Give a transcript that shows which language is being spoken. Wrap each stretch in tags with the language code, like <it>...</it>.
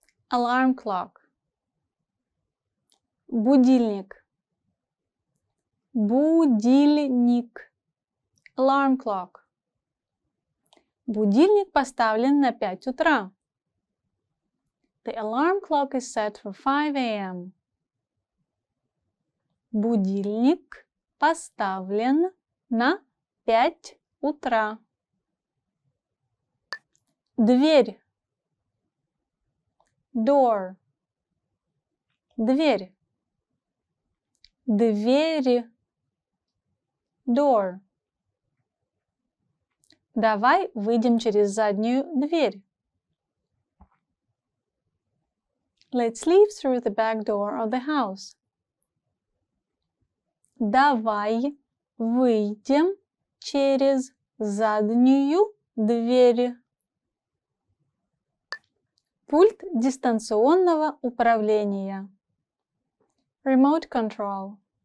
<en>Alarm clock.</en> <ru>Будильник. Будильник.</ru> <en>Alarm clock.</en> <ru>Будильник поставлен на 5 утра.</ru> <en>The alarm clock is set for 5 a.m.</en> <ru>Будильник поставлен на 5 утра. Дверь.</ru> <en>Door.</en> <ru>Дверь. Двери.</ru> <en>Door.</en> <ru>Давай выйдем через заднюю дверь.</ru> <en>Let's leave through the back door of the house.</en> <ru>Давай выйдем через заднюю дверь. Пульт дистанционного управления.</ru> <en>Remote control.</en>